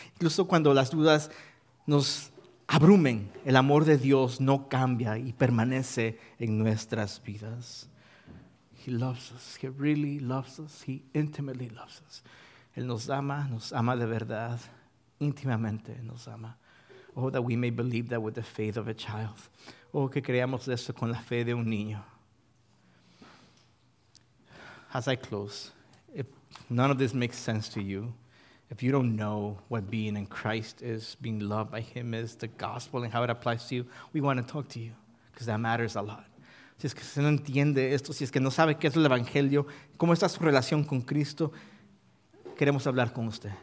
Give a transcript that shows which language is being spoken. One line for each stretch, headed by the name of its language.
Spanish: Incluso cuando las dudas nos abrumen, el amor de Dios no cambia y permanece en nuestras vidas.
English: He loves us. He really loves us. He intimately loves us.
Spanish: Él nos ama de verdad, íntimamente nos ama.
English: Oh, that we may believe that with the faith of a child.
Spanish: Oh, que creamos eso con la fe de un niño.
English: As I close, if none of this makes sense to you, if you don't know what being in Christ is, being loved by him is, the gospel and how it applies to you, we want to talk to you because that matters a lot.
Spanish: Si es que usted no entiende esto, si es que no sabe qué es el Evangelio, cómo está su relación con Cristo, queremos hablar con usted.